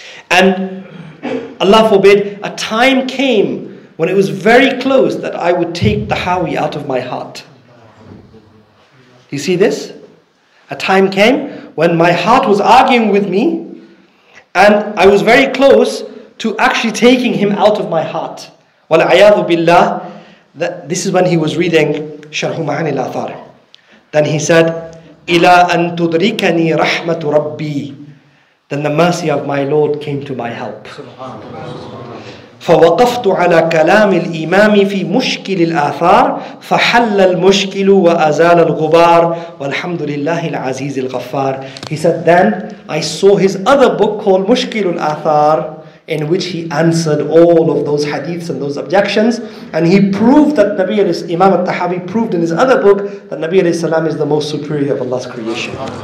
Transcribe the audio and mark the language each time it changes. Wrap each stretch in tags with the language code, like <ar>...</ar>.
<en>And Allah forbid, a time came when it was very close that I would take Tahawi out of my heart. You see this? A time came when my heart was arguing with me and I was very close to actually taking him out of my heart.</en> <ar>وَالْعَيَاذُ بِاللَّهِ.</ar> <en>That this is when he was reading شَرْحُ مَعَنِ الْآثَارِ. Then he said,</en> <ar>إِلَىٰ أَن تُدْرِكَنِي رَحْمَةُ رَبِّي.</ar> <en>Then the mercy of my Lord came to my help.</en> <ar>فوقفت على كلام الإمام في مشكل الآثار فحل المشكل وأزال الغبار والحمد لله العزيز الغفار.</ar> <en>He said, then I saw his other book called مشكل الآثار, in which he answered all of those hadiths and those objections, and he proved that Nabi Imam al-Tahawi proved in his other book that Nabi alayhi salam is the most superior of Allah's creation.</en>